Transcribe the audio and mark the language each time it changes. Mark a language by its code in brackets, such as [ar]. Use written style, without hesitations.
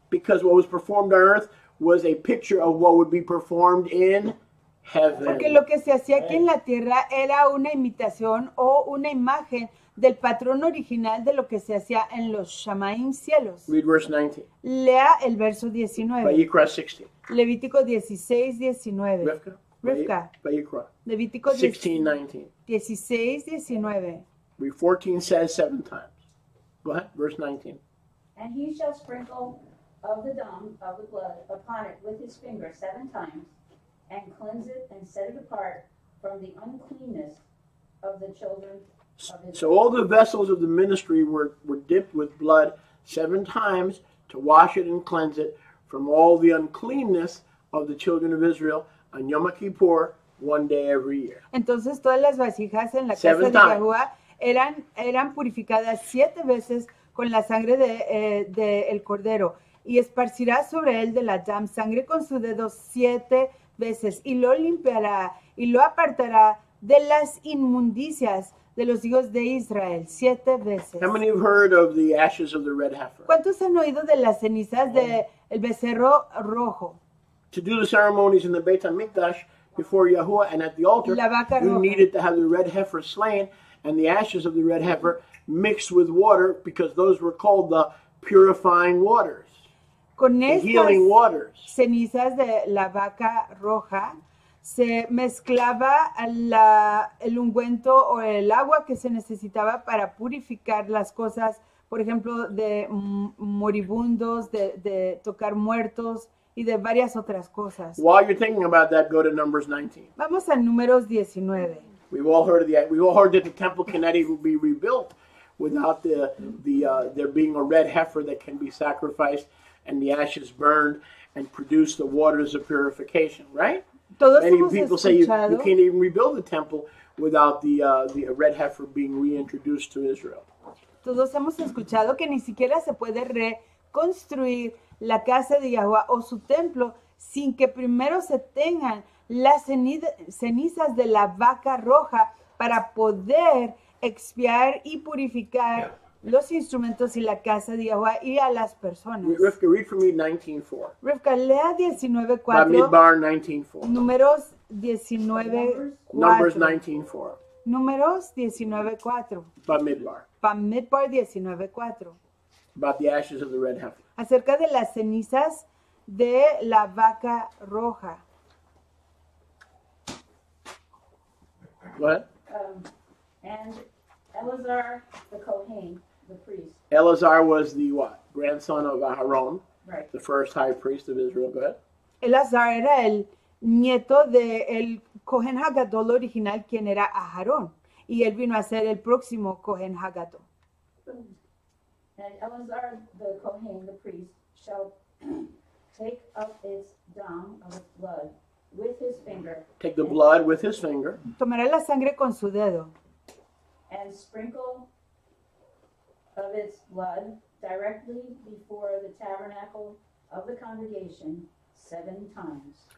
[en] because what was performed on earth was a picture of what would be performed in heaven. [es] Porque lo que se hacía aquí en la tierra era una imitación o una imagen del patrón original de lo que se hacía en los Shamaim cielos. [en] Read verse 19. [es] Lea el verso 19. [he] Vayikra 16. [es] Levítico 16, 19. Rivka. Vayikra. Levítico 16, 19. [en] Read 14 says seven times. Go ahead, verse 19. And he shall sprinkle of the dung of the blood upon it with his finger seven times, and cleanse it and set it apart from the uncleanness of the children. So all the vessels of the ministry were dipped with blood seven times to wash it and cleanse it from all the uncleanness of the children of Israel on Yom Kippur, one day every year. [es] Entonces todas las vasijas en la [en] seven [es] casa de Yahuwah eran purificadas siete veces con la sangre de el cordero, y esparcirá sobre él de la dam sangre con su dedo siete veces, y lo limpiará y lo apartará de las inmundicias de los hijos de Israel, siete veces. [en] How many have heard of the ashes of the red heifer? [es] ¿Cuántos han oído de las cenizas del becerro rojo? [en] To do the ceremonies in the Beit HaMikdash before Yahuwah and at the altar, [es] la vaca roja. [en] You needed to have the red heifer slain and the ashes of the red heifer mixed with water, because those were called the purifying waters, [es] con [en] the healing waters. [es] Cenizas de la vaca roja. Se mezclaba el ungüento o el agua que se necesitaba para purificar las cosas, por ejemplo, de moribundos, de tocar muertos y de varias otras cosas. [en] While you're thinking about that, go to Numbers 19. [es] Vamos a Números 19. [en] We've all heard that the Temple Kineti will be rebuilt without there being a red heifer that can be sacrificed and the ashes burned and produce the waters of purification, right? [es] Todos [en] many people Say you can't even rebuild the temple without the red heifer being reintroduced to Israel. [es] Todos hemos escuchado que ni siquiera se puede reconstruir la casa de Yahuwah o su templo sin que primero se tengan las cenizas de la vaca roja para poder expiar y purificar los instrumentos y la casa de Yahuwah y a las personas. [en] Rivka, read for me 19:4. [es] Rivka, lea 19:4. [he] Bamidbar 19:4. [es] Números 19:4. [en] Numbers 19:4. [es] Números 19:4. [he] Bamidbar. Bamidbar 19:4. [en] About the ashes of the red heifer. [es] Acerca de las cenizas de la vaca roja. [en] What? Eleazar, the Kohen, the priest. Eleazar was the what? Grandson of Aharon, right. The first high priest of Israel. Go ahead. [es] Eleazar era el nieto de el Kohen Hagadol original, quien era Aharon, y él vino a ser el próximo Kohen Hagadol. [en] And Eleazar, the Kohen, the priest, shall take up its dung of blood with his finger. Take the blood with his finger. [es] Tomará la sangre con su dedo. [en] And sprinkle of its blood directly before the tabernacle of the congregation seven times.